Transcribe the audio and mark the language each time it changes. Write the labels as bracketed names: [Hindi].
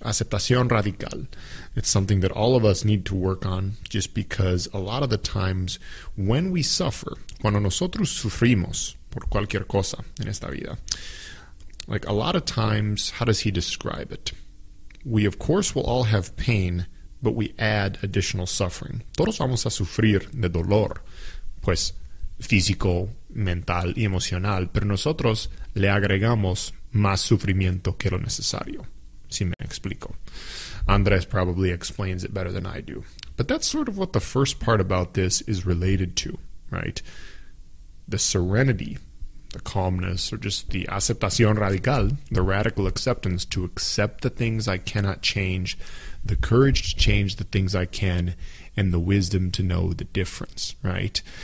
[Spanish] Aceptación radical. [English] It's something that all of us need to work on, just because a lot of the times when we suffer, [Spanish] cuando nosotros sufrimos, por cualquier cosa en esta vida. [English] Like, a lot of times, how does he describe it? We, of course, will all have pain, but we add additional suffering. [Spanish] Todos vamos a sufrir de dolor, pues, físico, mental y emocional, pero nosotros le agregamos más sufrimiento que lo necesario, si me explico. [English] Andres probably explains it better than I do. But that's sort of what the first part about this is related to, right? The serenity, the calmness, or just the aceptación radical, the radical acceptance to accept the things I cannot change, the courage to change the things I can, and the wisdom to know the difference, right?